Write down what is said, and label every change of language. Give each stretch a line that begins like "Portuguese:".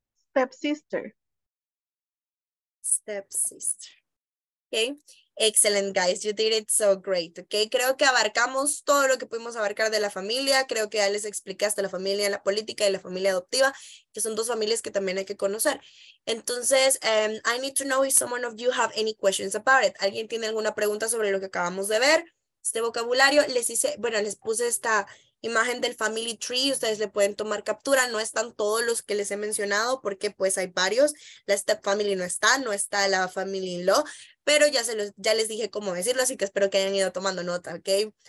English: Stepsister. Stepsister. Okay. Excellent, guys. You did it so great. Okay.
Spanish: Creo que abarcamos todo lo que pudimos abarcar de la familia. Creo que ya les expliqué hasta la familia, la política y la familia adoptiva, que son dos familias que también hay que conocer. Entonces,
English: I need to know if someone of you have any questions about it.
Spanish: ¿Alguien tiene alguna pregunta sobre lo que acabamos de ver? Este vocabulario, les hice, bueno, les puse esta imagen del family tree, ustedes le pueden tomar captura, no están todos los que les he mencionado porque pues hay varios, la step family no está, no está la family in law, pero ya les dije cómo decirlo, así que espero que hayan ido tomando nota, ¿ok?